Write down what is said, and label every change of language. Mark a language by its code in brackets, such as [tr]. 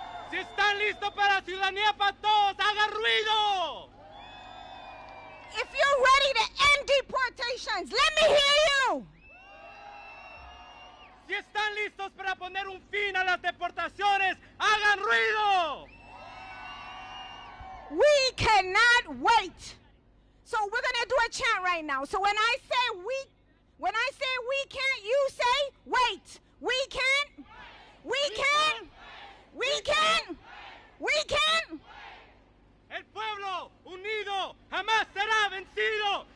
[es] Si están listos para ciudadanía para todos, haga ruido! [en] If you're ready to end deportations, let me hear you! [es] Si están listos para poner un fin a las deportaciones, hagan ruido! [en] We cannot wait. So we're going to do a chant right now. So when I say we can't, you say wait. We can't. We can't. We can't. We can't. [es] El pueblo unido jamás será vencido.